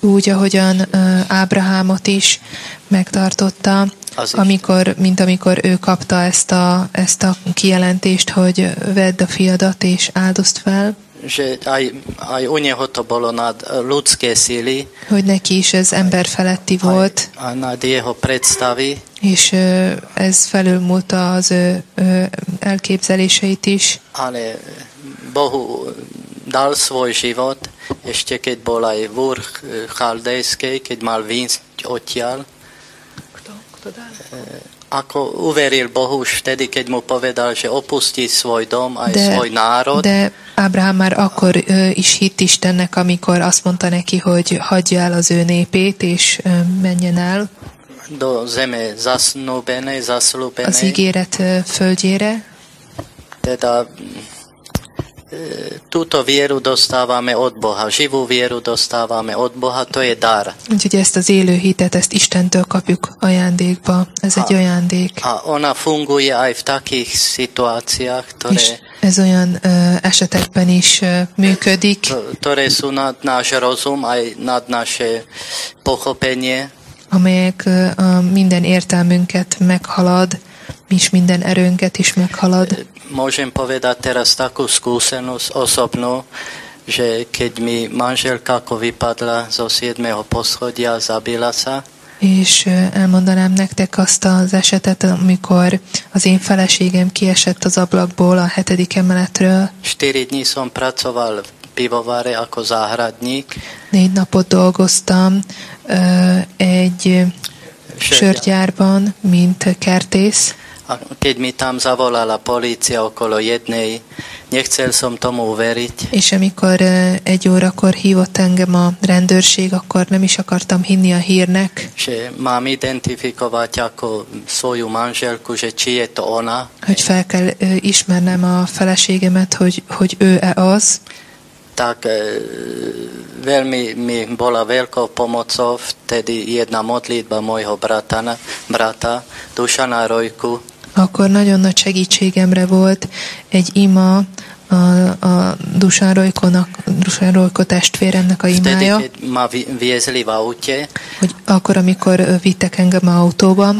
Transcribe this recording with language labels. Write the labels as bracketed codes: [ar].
[hu] Úgy, ahogyan Abrahámot is megtartotta, amikor ő kapta ezt a kijelentést, hogy vedd a fiadat és áldozd fel. [sk] Že aj u neho to bolo nad ľudské síly. [hu] Hogy neki is ez ember feletti volt. [sk] Aj nad jeho predstavy. [hu] És ez felülmúlta az ő elképzeléseit is. [sk] Ale Bohu dal svoj život, ešte keď bol aj v Ur Chaldejskej, keď mal výjsť odtiaľ. Kto dal? Ako uveril Bohu už vtedy, keď mu povedal, že opustí svoj dom aj de, svoj národ. [hu] De Abraham már akkor is hitt Istennek, amikor azt mondta neki, hogy hagyja el az ő népét, és menjen el. [sk] Do zeme zasnúbenej, zasľúbenej. [hu] Az ígéret földjére. [sk] Teda túto vieru dostávame od Boha, živú vieru dostávame od Boha, to je dar. [hu] Úgyhogy ezt az élő hitet, ezt Istentől kapjuk ajándékba, ez egy ajándék. [sk] A ona funguje aj v takých situáciách, ktoré... [hu] És ez olyan esetekben is működik. [sk] Ktoré sú nad náš rozum, aj nad naše pochopenie. [hu] Amelyek minden értelmünket meghalad, és minden erőnket is meghalad. [sk] Môžem povedať teraz takú skúsenosť osobnú, že keď mi manželka ako vypadla zo 7. poschodia, zabila sa. [hu] És elmondanám nektek azt az esetet, amikor az én feleségem kiesett az ablakból a 7. emeletről. [sk] 4 dní som pracoval v pivovare ako záhradník. [hu] 4 napot dolgoztam egy sörgyárban, mint kertész. [sk] A keď mi tam zavolala polícia okolo 1, nechcel som tomu uveriť. [hu] És amikor egy órakor hívott engem a rendőrség, akkor nem is akartam hinni a hírnek. [sk] Že mám identifikovať ako svoju manželku, že či je to ona. [hu] Hogy fel kell ismernem a feleségemet, hogy ő-e az. [sk] Tak veľmi mi bola veľkou pomocou vtedy jedna modlitba môjho brata Dušana Rojku. [hu] Akkor nagyon nagy segítségemre volt egy ima a Dušan Rojkónak, Dušan Rojko testvéremnek a imája. [sk] Vtedy, keď ma viezli v aute, [hu] hogy akkor, amikor vittek engem autóban,